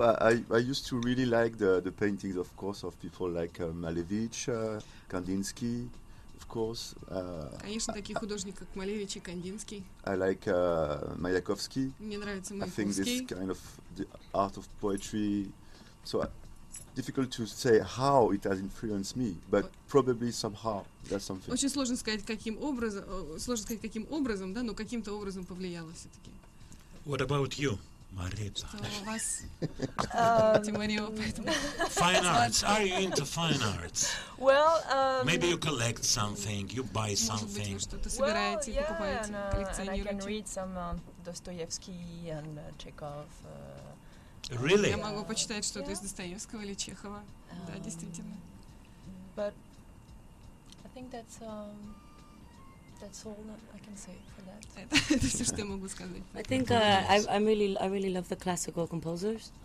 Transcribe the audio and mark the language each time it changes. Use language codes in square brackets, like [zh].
[en] I used to really like the paintings, of course, of people like Malevich, Kandinsky, of course. [ru] Конечно, такие художники как Малевич и Кандинский. [en] I like Маяковский. [ru] Мне нравится Маяковский. [en] I think this kind of the art of poetry. So difficult to say how it has influenced me, but probably somehow that's something. [ru] Очень сложно сказать каким образом, да, но каким-то образом повлияло все-таки. [en] What about you? Марица. Fine arts. Are you into fine arts? Well, maybe you collect something, you buy something. Well, yeah, and I can read some Dostoevsky and Chekhov. Really? [ru] Я могу почитать что-то из Достоевского или Чехова. Да, действительно. [en] But I think that's all that I can say for that. I think I really love the classical composers.